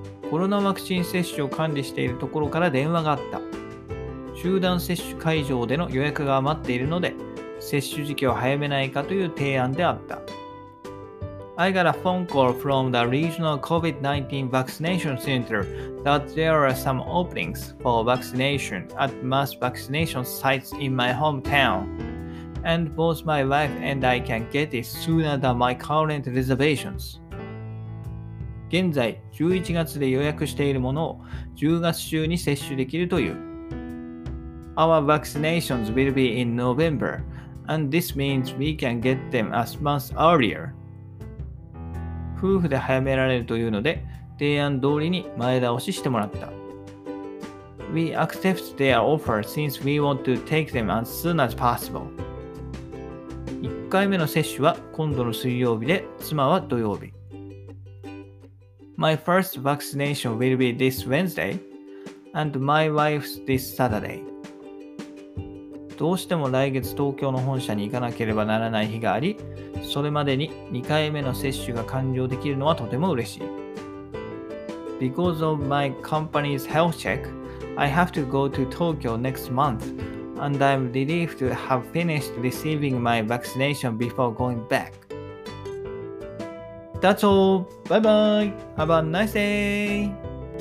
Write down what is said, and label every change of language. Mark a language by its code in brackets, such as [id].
[ja] コロナワクチン接種を管理しているところから電話があった。集団接種会場での予約が余っているので、接種時期を早めないかという提案であった。 [en] I got a phone call from the regional COVID-19 vaccination center that there are some openings for vaccination at mass vaccination sites in my hometown. And both my wife and I can get it sooner than my current reservations. [ja] 現在、11月で予約しているものを10月中に接種できるという。 [en] Our vaccinations will be in November, and this means we can get them a month earlier. [ja] 夫婦で早められるというので、提案通りに前倒ししてもらった。 [en] We accept their offer since we want to take them as soon as possible. [ja] 1回目の接種は今度の水曜日で、妻は土曜日。 [en] My first vaccination will be this Wednesday, and my wife's this Saturday. [ja] どうしても来月東京の本社に行かなければならない日があり、それまでに2回目の接種が完了できるのはとても嬉しい。 [en] Because of my company's health check, I have to go to Tokyo next month, and I'm relieved to have finished receiving my vaccination before going back. That's all. Bye bye. Have a nice day.